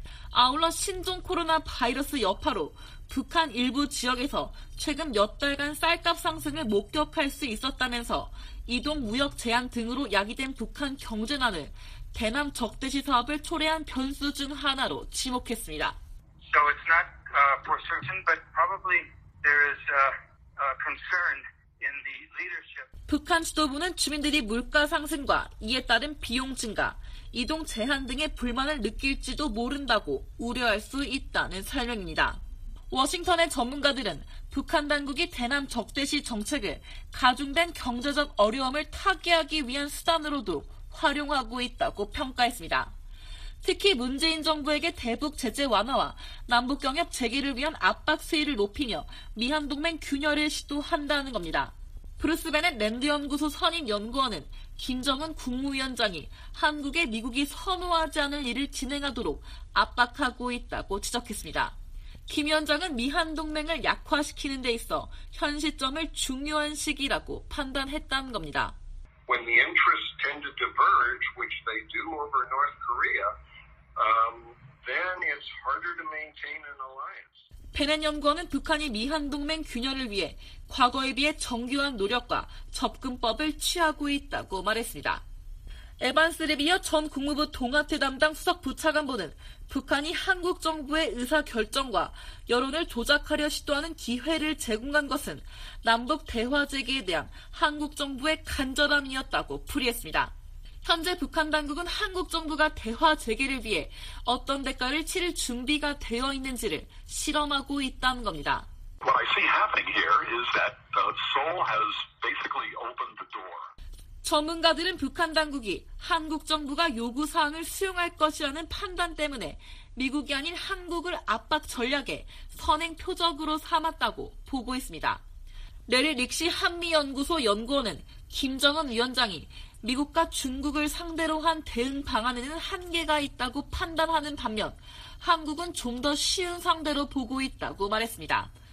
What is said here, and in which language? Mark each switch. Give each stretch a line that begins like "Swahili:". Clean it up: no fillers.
Korean: 아울러 신종 코로나 바이러스 여파로 북한 일부 지역에서 최근 몇 달간 쌀값 상승을 목격할 수 있었다면서 이동 무역 제한 등으로 야기된 북한 경제난을 대남 적대시 사업을 초래한 변수 중 하나로 지목했습니다.
English: So it's not for certain, but probably there is a concern in the leadership.
Korean: 북한 지도부는 주민들이 물가 상승과 이에 따른 비용 증가, 이동 제한 등의 불만을 느낄지도 모른다고 우려할 수 있다는 설명입니다. 워싱턴의 전문가들은 북한 당국이 대남 적대시 정책을 가중된 경제적 어려움을 타개하기 위한 수단으로도 활용하고 있다고 평가했습니다. 특히 문재인 정부에게 대북 제재 완화와 남북경협 재개를 위한 압박 수위를 높이며 미한동맹 균열을 시도한다는 겁니다. 브루스 베넷 랜드 연구소 선임 연구원은 김정은 국무위원장이 한국에 미국이 선호하지 않을 일을 진행하도록 압박하고 있다고 지적했습니다. 김 위원장은 미한동맹을 약화시키는 데 있어 현 시점을 중요한 시기라고 판단했다는 겁니다.
English: When the interests tend to diverge, which they do over North Korea, then it's harder to maintain an alliance.
Korean: 베넷 연구원은 북한이 미한동맹 균열을 위해 과거에 비해 정교한 노력과 접근법을 취하고 있다고 말했습니다. 에반스 리비어 전 국무부 동아태 담당 수석 부차관보는 북한이 한국 정부의 의사결정과 여론을 조작하려 시도하는 기회를 제공한 것은 남북 대화 재개에 대한 한국 정부의 간절함이었다고 풀이했습니다. 현재 북한 당국은 한국 정부가 대화 재개를 위해 어떤 대가를 치를 준비가 되어 있는지를 실험하고 있다는 겁니다.
English: What I see happening here is that Seoul has basically opened the door.
Korean: 전문가들은 북한 당국이 한국 정부가 요구사항을 수용할 것이라는 판단 때문에 미국이 아닌 한국을 압박 전략의 선행 표적으로 삼았다고 보고 있습니다. 레리 릭시 한미연구소 연구원은 김정은 위원장이 미국과 중국을 상대로 한 대응 방안에는 한계가 있다고 판단하는 반면 한국은 좀 더 쉬운 상대로 보고 있다고 말했습니다.